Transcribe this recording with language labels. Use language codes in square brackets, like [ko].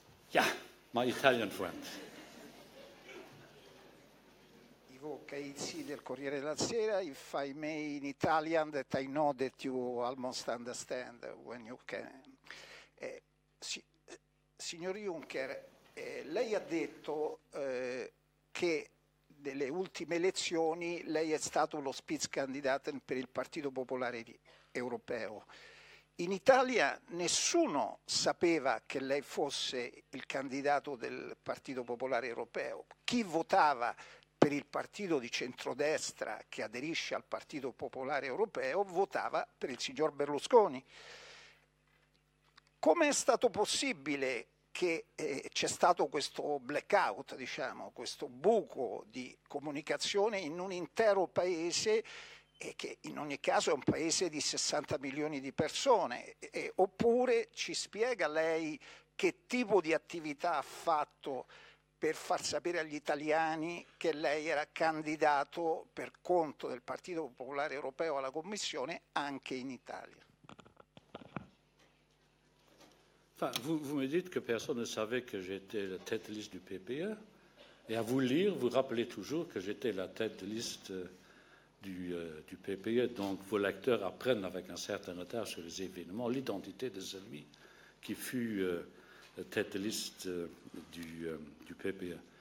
[en] Yeah. My Italian friend. [it] Ivo Caizzi del Corriere della Sera. [en] If I may, in Italian, that I know that you almost understand when you can. [it] Signor Juncker, lei ha detto che nelle ultime elezioni lei è stato lo Spitzkandidaten per il Partito Popolare Europeo. In Italia nessuno sapeva che lei fosse il candidato del Partito Popolare Europeo. Chi votava per il partito di centrodestra che aderisce al Partito Popolare Europeo votava per il signor Berlusconi. Come è stato possibile che c'è stato questo blackout, diciamo, questo buco di comunicazione in un intero paese? E che in ogni caso è un paese di 60 milioni di persone, oppure ci spiega lei che tipo di attività ha fatto per far sapere agli italiani che lei era candidato per conto del Partito Popolare Europeo alla Commissione anche in Italia? [fr] Vous me dites que personne ne savait que j'étais la tête liste du PPE, et à vous lire, vous rappelez toujours que j'étais la tête liste du PPE, donc vos lecteurs apprennent avec un certain retard sur les événements l'identité de celui qui fut tête liste du PPE.